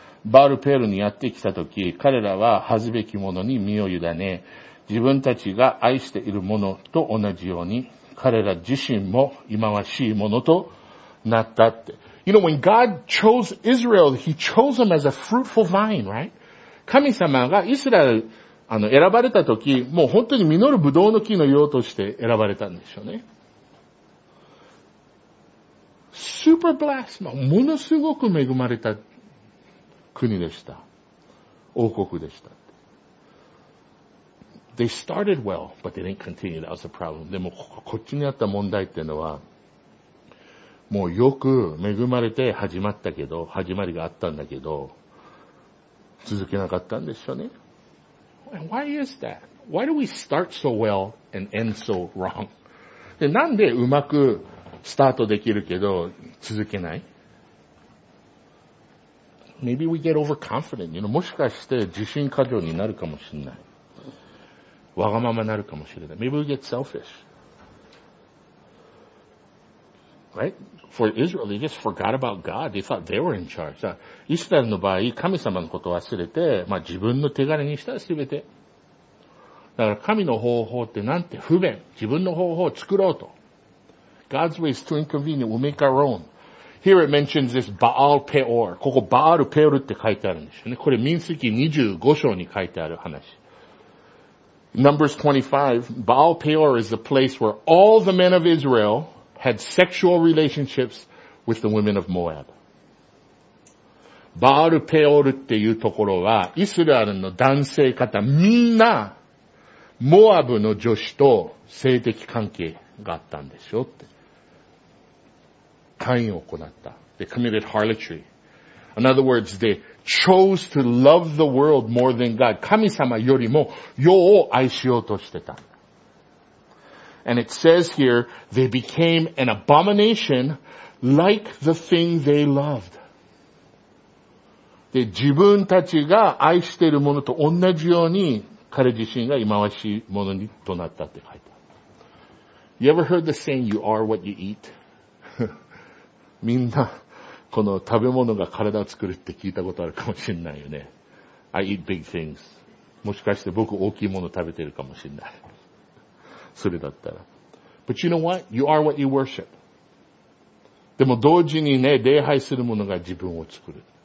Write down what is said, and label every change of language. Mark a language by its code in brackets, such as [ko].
[ja] バルペルにやってきたとき、彼らは恥ずべきものに身を委ね、自分たちが愛しているものと同じように、彼ら自身も忌まわしいものとなったって。 [en] You know, when God chose Israel, He chose them as a fruitful vine, right? [ja] 神様がイスラエル、選ばれたとき、もう本当に実るブドウの木のようとして選ばれたんでしょうね。 [en] Super blessed, [ja] ものすごく恵まれた国でした。王国でした。 [en] They started well, but they didn't continue. That was a problem. [ja] でも、こっちにあった問題っていうのは、もうよく恵まれて始まったけど、始まりがあったんだけど、続けなかったんでしょうね。 [en] And why is that? Why do we start so well and end so wrong? [ja] で、なんでうまくスタートできるけど、続けない? [en] Maybe we get overconfident. You know, [ja] もしかして自信過剰になるかもしれない。わがままになるかもしれない。 [en] Maybe we get selfish. Right? For Israel, they just forgot about God. They thought they were in charge. [ja] イスラエルの場合、神様のことを忘れて、まあ自分の手柄にしたらすべて。だから神の方法ってなんて不便。自分の方法を作ろうと。 [en] God's way is too inconvenient. We'll make our own. Here it mentions this Baal Peor. [ja] ここ Baal Peor って書いてあるんですよね。これ民数記25章に書いてある話。 [en] Numbers 25, Baal Peor is the place where all the men of Israel had sexual relationships with the women of Moab. [ja] Baal Peor っていうところは、イスラエルの男性方、みんな、モアブの女子と性的関係があったんでしょって。カインを行った。 [en] They committed harlotry. In other words, theychose to love the world more than God. [ja] 神様よりも世を愛しようとしてた。 [en] And it says here, they became an abomination like the thing they loved. [ja] で、自分たちが愛しているものと同じように彼自身が忌まわしいものにとなったって書いてある。 [en] You ever heard the saying, you are what you eat? [ja] みんな。この食べ物が体を作るって聞いたことあるかもしれないよね。 [en] I eat big things. [ja] もしかして僕大きいもの食べてるかもしれない。それだったら。 [en] But you know what? You are what you worship. [ja] でも同時にね、礼拝するものが自分を作る。